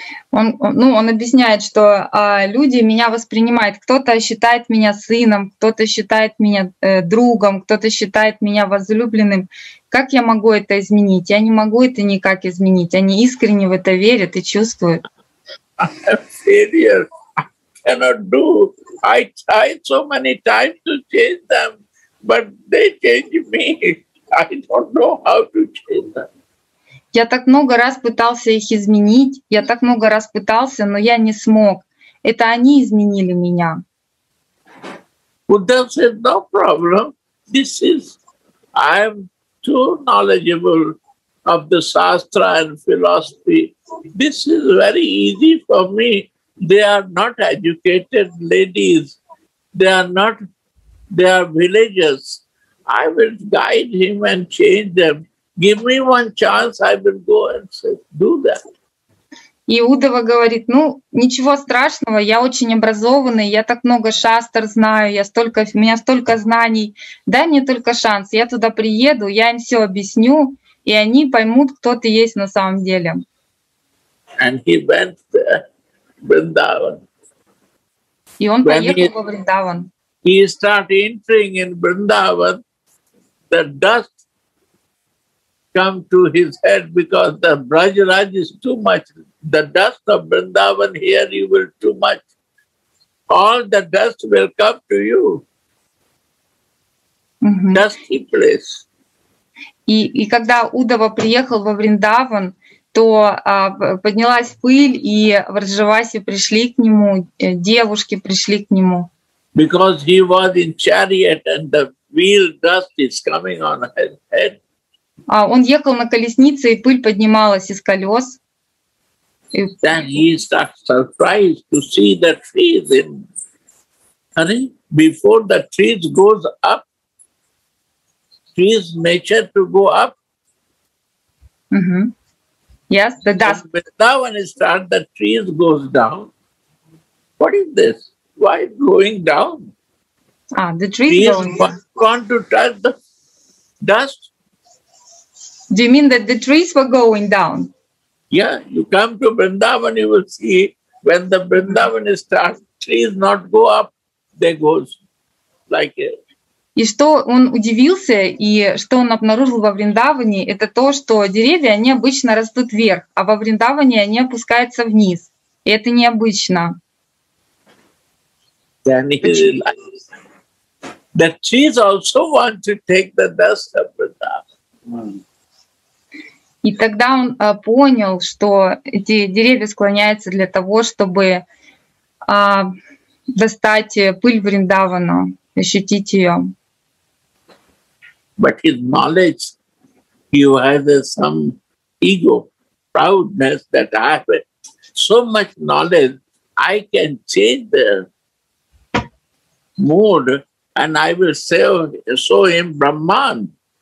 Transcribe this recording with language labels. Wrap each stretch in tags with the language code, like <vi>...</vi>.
<ru>Он объясняет, что люди меня воспринимают. Кто-то считает меня сыном, кто-то считает меня другом, кто-то считает меня возлюбленным. Как я могу это изменить? Я не могу это никак изменить. Они искренне в это верят и чувствуют.</ru> <en>I'm serious. I cannot do. I tried so many times to change them, but they change me. I don't know how to change them.</en> <ru>Я так много раз пытался их изменить, я так много раз пытался, но я не смог. Это они изменили меня.</ru> <en>Well, they'll say, no problem. This is, I'm too knowledgeable of the Shastra and philosophy. This is very easy for me. They are not educated ladies. They are villagers. I will guide him and change them. Give me one chance, I will go and say, do that.</en> <ru>Иудова говорит, ну, ничего страшного, я очень образованный, я так много шастр знаю, я столько, у меня столько знаний, дай мне только шанс, я туда приеду, я им все объясню, и они поймут, кто ты есть на самом деле.</ru> <en>And he went there, Vrindavan.</en> <ru>И он</ru> <en>when</en> <ru>поехал во Вриндаван.</ru> <en>He started entering in Vrindavan, the dust come to his head because the Brajraj is too much. The dust of Vrindavan here you will too much. All the dust will come to you. Mm-hmm. Dusty place.</en> <ru>И когда Удава приехал во Вриндаван, то поднялась пыль, и в Раджаваси пришли к нему, девушки пришли к нему.</ru> <en>Because he was in chariot and the wheel dust is coming on his head.</en> <ru>Он ехал на колеснице, и пыль поднималась из колес.</ru> <en>Then he is surprised to see the trees in. And before the trees goes up, trees nature to go up. Mm-hmm. Yes, the dust. But now when it starts, the trees goes down. What is this? Why going down? Ah, the trees going. Want to touch the dust? Do you mean that the trees were going down? Yeah, you come to Vrindavan, you will see when the Vrindavan is starts, trees not go up, they go like it.</en> <ru>И что он удивился, и что он обнаружил во Вриндаване, это то, что деревья, они обычно растут вверх, а во Вриндаване они опускаются вниз. И это необычно.</ru> <en>Then he realized that trees also want to take the dust of Vrindavan.</en> <ru>И тогда он понял, что эти деревья склоняются для того, чтобы достать пыль Вриндавана, ощутить ее.</ru> <en>But his knowledge, he has some ego, proudness that I have so much knowledge, I can change the mood and I will show him Brahman.</en>